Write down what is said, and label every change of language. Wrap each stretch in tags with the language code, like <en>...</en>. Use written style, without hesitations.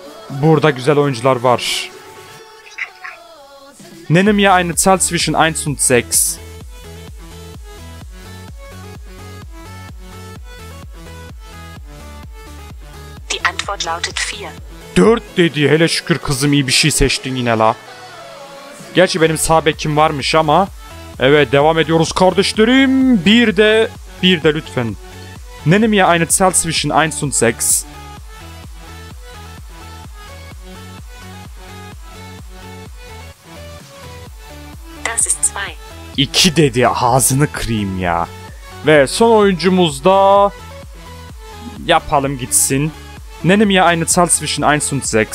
<tr>Burada güzel oyuncular var.</tr> <de>Nenne mir eine Zahl zwischen 1 und 6. Die Antwort lautet 4.</de> <tr>4 dedi. Hele şükür kızım iyi bir şey seçtin yine la. Gerçi benim sağ bekim varmış ama. Evet devam ediyoruz kardeşlerim. Bir de lütfen.</tr> <de>Nenne mir eine Zahl zwischen 1 und 6.</de> <tr>İki dedi. Ağzını kırayım ya. Ve son oyuncumuz da yapalım gitsin.</tr> <de>Nenim ya eine Zahl zwischen 1 und 6.</de>